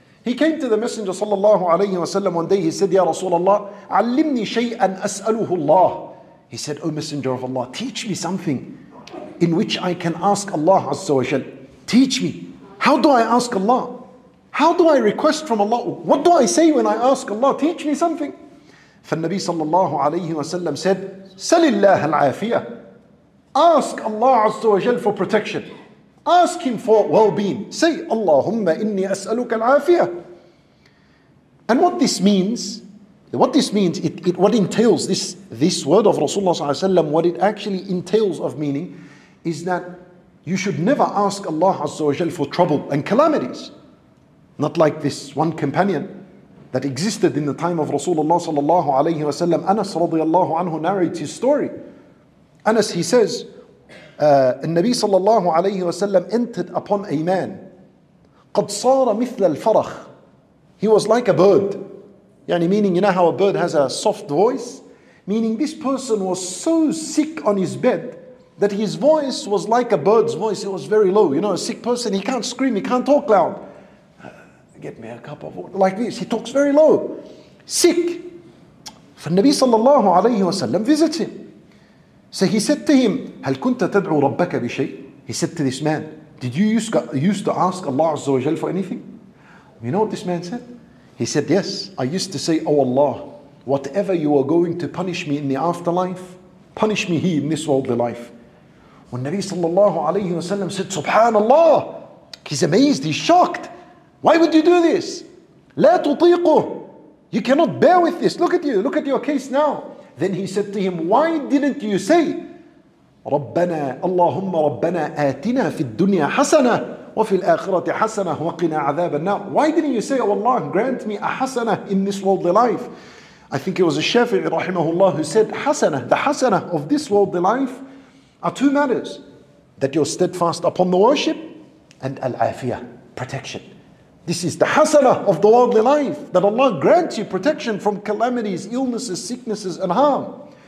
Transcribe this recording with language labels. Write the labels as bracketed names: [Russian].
[English] He came to the Messenger sallallahu alayhi wa sallam one day. He said, [Arabic] Ya Rasulullah, allimni shay'an as'aluhu Allah. [English] He said, O Messenger of Allah, teach me something in which I can ask Allah Azza wa Jal. Teach me. How do I ask Allah? How do I request from Allah? What do I say when I ask Allah? Teach me something. [Arabic] فالنبي صلى الله عليه وسلم [English] said, [Arabic] سل الله العافية. [English] Ask Allah عز وجل for protection. Ask Him for well-being. Say, [Arabic] اللهم إني أسألك العافية. [English] And what this means, what entails this word of Rasulullah صلى الله عليه وسلم, what it actually entails of meaning, is that you should never ask Allah عز وجل for trouble and calamities. Not like this one companion that existed in the time of Rasulullah sallallahu alayhi wa sallam. Anas radiallahu anhu narrates his story. Anas, he says, Nabi sallallahu alayhi wa sallam entered upon a man. [Arabic] قَدْ صَارَ مِثْلَ الْفَرَخ. [English] He was like a bird. Yani meaning, you know how a bird has a soft voice? Meaning this person was so sick on his bed that his voice was like a bird's voice. It was very low. You know, a sick person, he can't scream, he can't talk loud. Get me a cup of water. Like this. He talks very low. Sick. [Arabic] فالنبي صلى الله عليه وسلم [English] visits him. So he said to him, [Arabic] هل كنت تدعو ربك بشيء? [English] He said to this man, did you used to ask Allah عز وجل for anything? You know what this man said? He said, yes, I used to say, oh Allah, whatever you are going to punish me in the afterlife, punish me here in this worldly life. [Arabic] والنبي صلى الله عليه وسلم [English] said, [Arabic] سبحان الله. [English] He's amazed. He's shocked. Why would you do this? [Arabic] لا تطيقه. [English] You cannot bear with this. Look at you. Look at your case now. Then he said to him, why didn't you say, [Arabic] ربنا اللهم ربنا آتنا في الدنيا حسنة وفي الآخرة حسنة وقنا عذاب النار. [English] Why didn't you say, oh Allah, grant me a حسنة in this worldly life? I think it was Shafi'i rahimahullah who said, حسنة, the حسنة of this worldly life are two matters, that you're steadfast upon the worship and al-afiyah, protection. This is the hasana of the worldly life, that Allah grants you protection from calamities, illnesses, sicknesses, and harm.